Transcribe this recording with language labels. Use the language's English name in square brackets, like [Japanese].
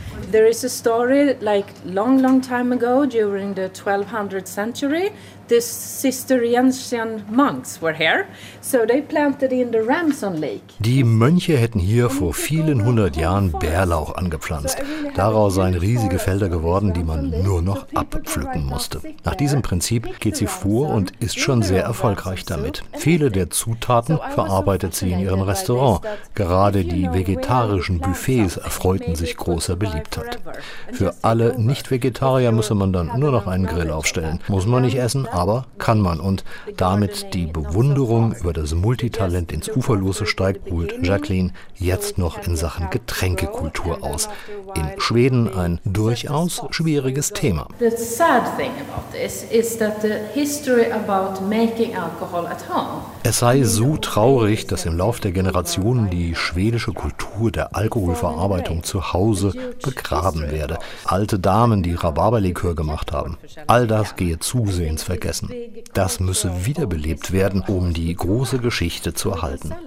[English] There is a story, like long, long time ago, during the 1200th century, the Cistercian monks were here, so they planted in the Ramson Lake. [German] Die Mönche hätten hier vor vielen hundert Jahren Bärlauch angepflanzt. Daraus seien riesige Felder geworden, die man nur noch abpflücken musste. Nach diesem Prinzip geht sie vor und ist schon sehr erfolgreich damit. Viele der Zutaten verarbeitet sie in ihrem Restaurant. Gerade die vegetarischen Buffets erfreuten sich großer Beliebtheit. Für alle Nicht-Vegetarier müsse man dann nur noch einen Grill aufstellen. Muss man nicht essen, aber kann man. Und damit die Bewunderung über das Multitalent ins Uferlose steigt, holt Jacqueline jetzt noch in Sachen Getränkekultur aus. In Schweden ein durchaus schwieriges Thema. [English] The sad thing about this is that the history about making alcohol at home. [German] Es sei so traurig, dass im Lauf der Generationen die schwedische Kultur der Alkoholverarbeitung zu Hause begraben werde. Alte Damen, die Rhabarberlikör gemacht haben. All das gehe zusehends vergessen. Das müsse wiederbelebt werden, um die große Geschichte zu erhalten.